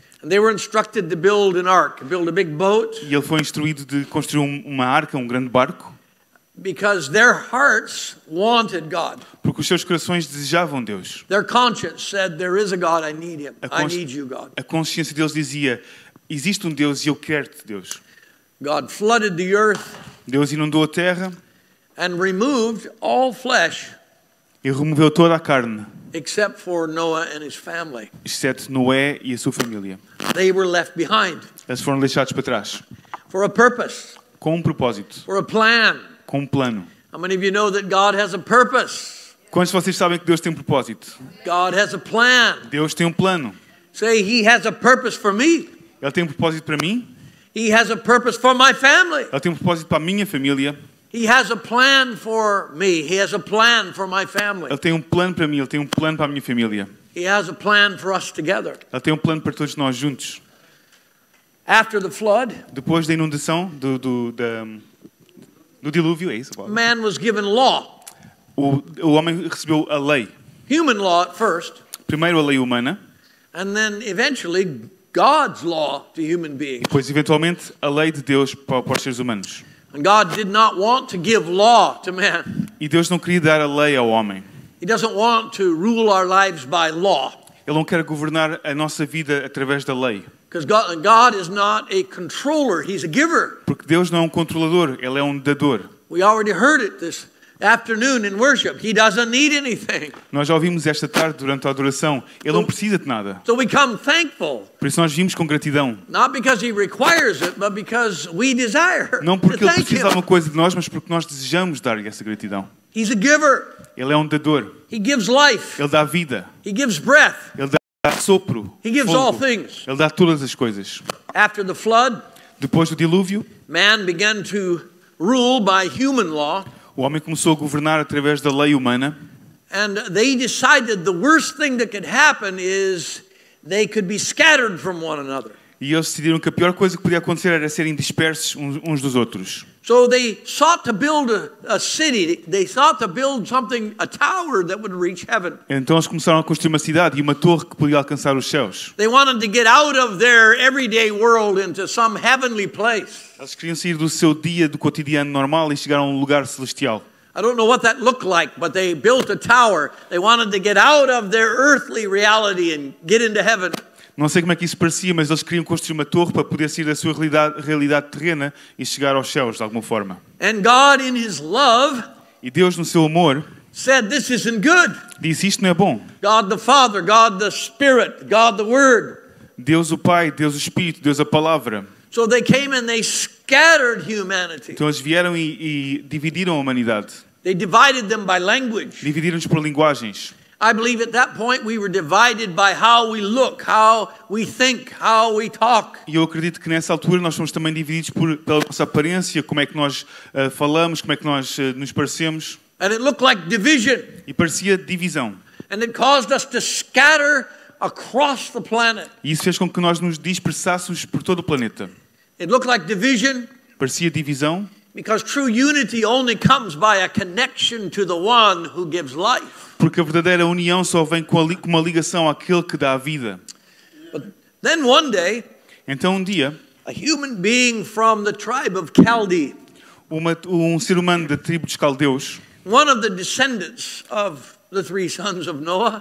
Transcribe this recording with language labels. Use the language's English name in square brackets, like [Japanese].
[English] And they were instructed to build an ark, build a big boat. [Portuguese] E ele foi instruído de construir uma arca, um grande barco. [English] Because their hearts wanted God. [Portuguese] Porque os seus corações desejavam Deus. [English] Their conscience said, "There is a God. I need Him. I need You, God." [Portuguese] A consciência deles dizia, existe Deus e eu quero-te, Deus. [English] God flooded the earth. [Portuguese] Deus inundou a terra. [English] And removed all flesh. [Portuguese] E removeu toda a carne. [English] Except for Noah and his family. [Portuguese] Exceto Noé e a sua família. [English] They were left behind. [Portuguese] Eles foram deixados para trás. [English] For a purpose. [Portuguese] Com propósito. [English] For a plan. [Portuguese] Com plano. [English] How many of you know that God has a purpose? [Portuguese] Quantos de vocês sabem que Deus tem propósito? [English] God has a plan. [Portuguese] Deus tem plano. [English] Say He has a purpose for me. [Portuguese] Ele tem propósito para mim. [English] He has a purpose for my family. [Portuguese] Ele tem propósito para a minha família. [English] He has a plan for me. He has a plan for my family. [Portuguese] Ele tem plano para mim. Ele tem plano para a minha família. [English] He has a plan for us together. [Portuguese] Ele tem plano para todos nós juntos. [English] After the flood. [Portuguese] Depois da inundação do dilúvio, é isso. Paulo? [English] Man was given law. [Portuguese] O homem recebeu a lei. [English] Human law at first. [Portuguese] Primeiro a lei humana. [English] And then eventually God's law to human beings. [Portuguese] E depois eventualmente a lei de Deus para os seres humanos. [English] And God did not want to give law to man. [Portuguese] E Deus não queria dar a lei ao homem. [English] He doesn't want to rule our lives by law. [Portuguese] Ele não quer governar a nossa vida através da lei. [English] Because God is not a controller, He's a giver. [Portuguese] Porque Deus não é controlador, Ele é dador. [English] We already heard it this afternoon in worship. He doesn't need anything. [Portuguese] Nós já ouvimos esta tarde durante a adoração. Ele não precisa de nada. [English] So we come thankful. [Portuguese] Por isso nós vimos com gratidão. [English] Not because He requires it, but because we desire. [Portuguese] Não porque Ele precisa de alguma coisa de nós, mas porque nós desejamos dar-lhe essa gratidão. [English] He's a giver. [Portuguese] Ele é dador. [English] He gives life. [Portuguese] Ele dá vida. [English] He gives breath. [Portuguese] Ele dá sopro, [English] He gives [Portuguese] fogo. [English] All things. [Portuguese] Ele dá todas as coisas. [English] After the flood, [Portuguese] depois do dilúvio, [English] man began to rule by human law. [Portuguese] O homem começou a governar através da lei humana. [English] And they decided the worst thing that could happen is they could be scattered from one another. [Portuguese] E eles decidiram que a pior coisa que podia acontecer era serem dispersos uns dos outros. [English] So they sought to build a city. They sought to build something, a tower that would reach heaven. [Portuguese] Então eles começaram a construir uma cidade e uma torre que podia alcançar os céus. [English] They wanted to get out of their everyday world into some heavenly place. [Portuguese] Eles queriam sair do seu dia, do cotidiano normal e chegar a um lugar celestial. [English] I don't know what that looked like, but they built a tower. They wanted to get out of their earthly reality and get into heaven. [Portuguese] Não sei como é que isso parecia, mas eles queriam construir uma torre para poder sair da sua realidade terrena e chegar aos céus de alguma forma. [English] And God, in His love, [Portuguese] e Deus no seu amor, [English] said, "This isn't good." [Portuguese] Disse, isto não é bom. [English] God the Father, God the Spirit, God the Word. [Portuguese] Deus o Pai, Deus o Espírito, Deus a Palavra. [English] So they came and they scattered humanity. [Portuguese] Então eles vieram e dividiram a humanidade. [English] They divided them by language. [Portuguese] Dividiram-nos por linguagens. [English] I believe at that point we were divided by how we look, how we think, how we talk. [Portuguese] E eu acredito que nessa altura nós fomos também divididos pela nossa aparência, como é que nós falamos, como é que nós nos parecemos. [English] And it looked like division. [Portuguese] E parecia divisão. [English] And it caused us to scatter across the planet. [Portuguese] E isso fez com que nós nos dispersássemos por todo o planeta. [English] It looked like division. [Portuguese] Parecia divisão. [English] Because true unity only comes by a connection to the one who gives life. [Portuguese] Porque a verdadeira união só vem com uma ligação àquele que dá a vida. [English] But then one day, [Portuguese] então um dia, [English] a human being from the tribe of Chaldee, [Portuguese] um ser humano da tribo dos Caldeus, [English] one of the descendants of the three sons of Noah,